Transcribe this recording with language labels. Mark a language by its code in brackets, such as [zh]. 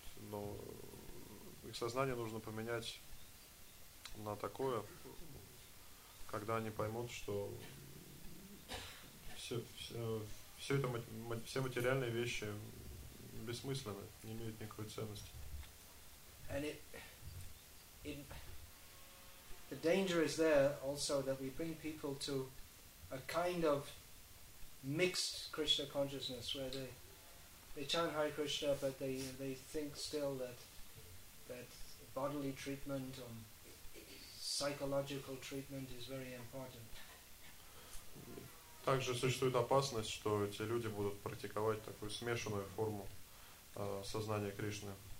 [ru] Но их сознание нужно поменять на такое, когда они поймут, что все материальные вещи бессмысленно, не имеет никакой ценности. [en] And the danger is there also that we bring people to a kind of mixed Krishna consciousness where they chant Hare Krishna, but they think still that bodily treatment or psychological treatment is very important. [ru] Также существует опасность, что эти люди будут практиковать такую смешанную форму сознание Кришны.